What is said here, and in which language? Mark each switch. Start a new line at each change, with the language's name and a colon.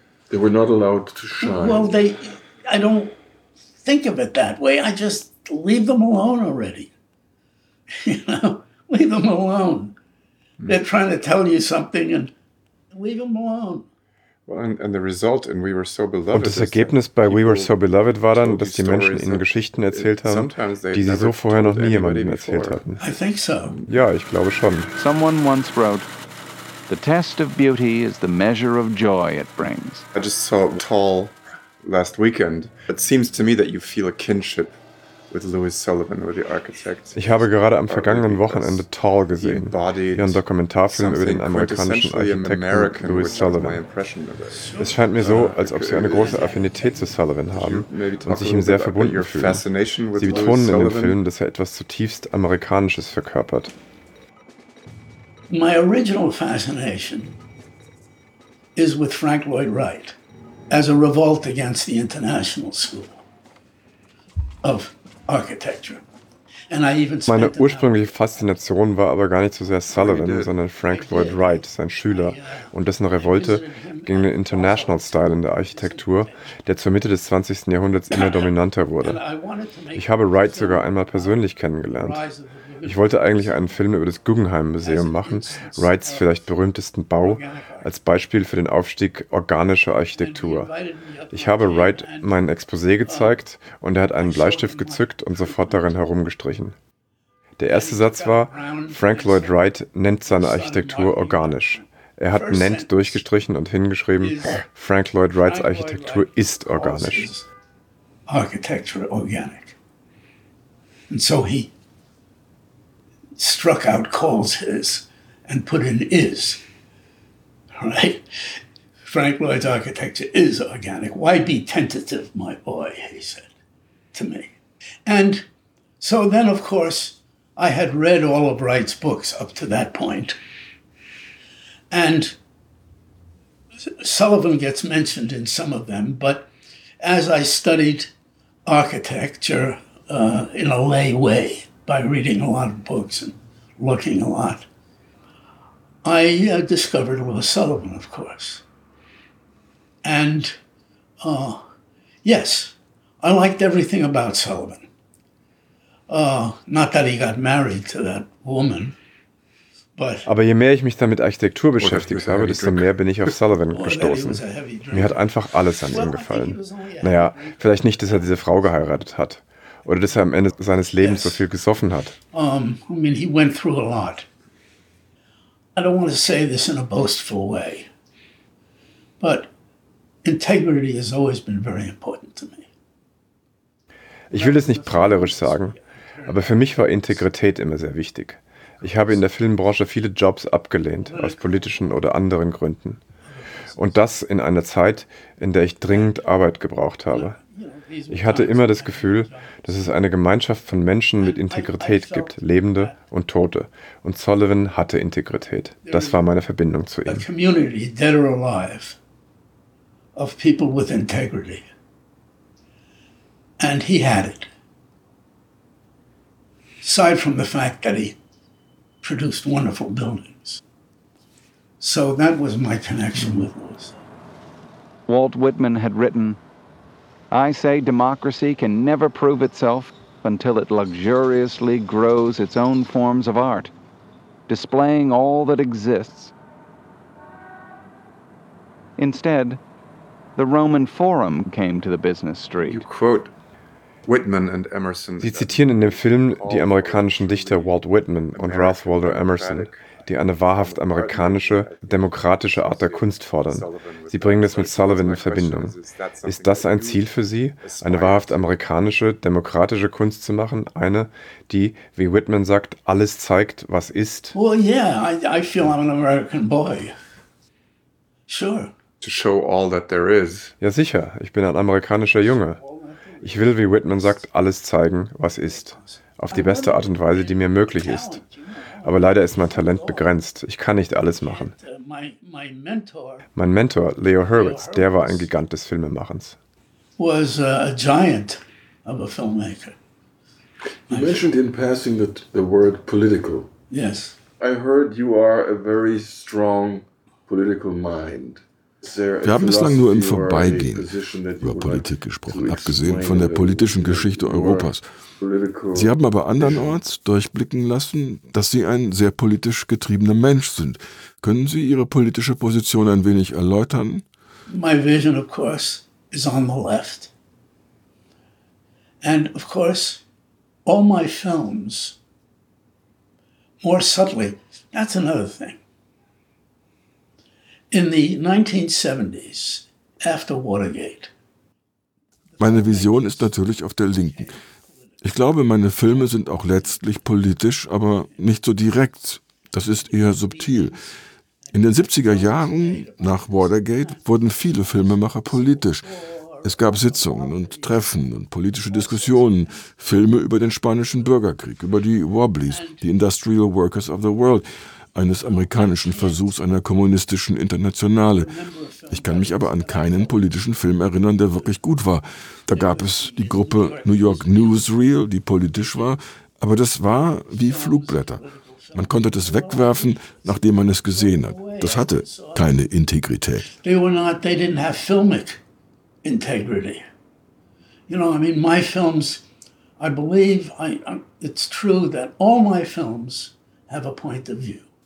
English: They were not allowed to shine. Well, I don't think of it that way. I just leave them alone already. Leave them alone. They're trying to tell you something and leave them alone. Well, and the result in We Were So Beloved.
German: Und das Ergebnis bei We Were So Beloved war dann, dass die Menschen ihnen Geschichten erzählt haben, die sie so vorher noch nie jemandem erzählt hatten.
English: I think so.
German: Ja, ich glaube schon.
English: Someone once wrote, "The test of beauty is the measure of joy it brings." I just saw Tall last weekend. It seems to me that you feel a kinship with Louis Sullivan, with the architect.
German: Ich habe gerade am vergangenen Wochenende Tall gesehen, ihren Dokumentarfilm über den amerikanischen Architekten Louis Sullivan. Es scheint mir so, als ob sie eine große Affinität zu Sullivan haben und sich ihm sehr verbunden fühlen. Sie betonen in dem Film, dass er etwas zutiefst Amerikanisches verkörpert.
English: My original fascination is with Frank Lloyd Wright as a revolt against the international school of architecture.
German: Meine ursprüngliche Faszination war aber gar nicht so sehr Sullivan, sondern Frank Lloyd Wright, sein Schüler, und dessen Revolte gegen den International Style in der Architektur, der zur Mitte des 20. Jahrhunderts immer dominanter wurde. Ich habe Wright sogar einmal persönlich kennengelernt. Ich wollte eigentlich einen Film über das Guggenheim Museum machen, Wrights vielleicht berühmtesten Bau, als Beispiel für den Aufstieg organischer Architektur. Ich habe Wright mein Exposé gezeigt und er hat einen Bleistift gezückt und sofort darin herumgestrichen. Der erste Satz war, Frank Lloyd Wright nennt seine Architektur organisch. Er hat nennt durchgestrichen und hingeschrieben, Frank Lloyd Wrights Architektur ist organisch.
English: Architecture organic. And so he struck out calls his and put in is. Right? Frank Lloyd's architecture is organic. Why be tentative, my boy, he said to me. And so then, of course, I had read all of Wright's books up to that point. And Sullivan gets mentioned in some of them, but as I studied architecture in a lay way by reading a lot of books and looking a lot, I discovered Louis Sullivan, of course. And yes, I liked everything about Sullivan. Not that he got married to that woman, but.
German: Aber je mehr ich mich damit Architektur beschäftigt habe, desto mehr bin ich auf Sullivan gestoßen. Mir hat einfach alles an ihm gefallen. Naja, vielleicht nicht, dass er diese Frau geheiratet hat. Oder dass er am Ende seines Lebens so viel gesoffen hat.
English: I mean, he went through a lot. I don't want to say this in a boastful way, but integrity has always been very important to me.
German: Ich will es nicht prahlerisch sagen, aber für mich war Integrität immer sehr wichtig. Ich habe in der Filmbranche viele Jobs abgelehnt, aus politischen oder anderen Gründen. Und das in einer Zeit, in der ich dringend Arbeit gebraucht habe. Ich hatte immer das Gefühl, dass es eine Gemeinschaft von Menschen mit Integrität gibt, Lebende und Tote. Und Sullivan hatte Integrität. Das war meine Verbindung zu ihm.
English: A community, dead or alive, of people with integrity. And he had it. Aside from the fact that he produced wonderful buildings. So that was my connection with Louisville. Walt Whitman had written, "I say democracy can never prove itself until it luxuriously grows its own forms of art, displaying all that exists." Instead, the Roman Forum came to the business street. You quote Whitman and Emerson.
German: Sie zitieren in dem Film die amerikanischen Dichter Walt Whitman und Ralph Waldo Emerson, die eine wahrhaft amerikanische, demokratische Art der Kunst fordern. Sie bringen es mit Sullivan in Verbindung. Ist das ein Ziel für Sie, eine wahrhaft amerikanische, demokratische Kunst zu machen? Eine, die, wie Whitman sagt, alles zeigt, was ist?
English: Well, yeah, I feel I'm an American boy. Sure. To show all that there is.
German: Ja, sicher. Ich bin ein amerikanischer Junge. Ich will, wie Whitman sagt, alles zeigen, was ist. Auf die beste Art und Weise, die mir möglich ist. Aber leider ist mein Talent begrenzt. Ich kann nicht alles machen. Mein Mentor, Leo Hurwitz, der war ein Gigant des Filmemachens.
English: Was a giant of a filmmaker. You mentioned in passing the word political. Yes. I heard you are a very strong political mind.
German: Wir haben bislang nur im Vorbeigehen über Politik gesprochen, abgesehen von der politischen Geschichte Europas. Sie haben aber andernorts durchblicken lassen, dass Sie ein sehr politisch getriebener Mensch sind. Können Sie Ihre politische Position ein wenig erläutern?
English: My vision, of course, is on the left. And, of course, all my films, more subtly, that's another thing. In the 1970s, after Watergate.
German: Meine Vision ist natürlich auf der Linken. Ich glaube, meine Filme sind auch letztlich politisch, aber nicht so direkt. Das ist eher subtil. In den 70er Jahren, nach Watergate, wurden viele Filmemacher politisch. Es gab Sitzungen und Treffen und politische Diskussionen, Filme über den spanischen Bürgerkrieg, über die Wobblies, die Industrial Workers of the World, eines amerikanischen Versuchs einer kommunistischen Internationale. Ich kann mich aber an keinen politischen Film erinnern, der wirklich gut war. Da gab es die Gruppe New York Newsreel, die politisch war, aber das war wie Flugblätter. Man konnte das wegwerfen, nachdem man es gesehen hat. Das hatte keine Integrität.
English: They were not, they didn't have filmic integrity. You know, I mean, my films, I believe, it's true that all my films have a point of view.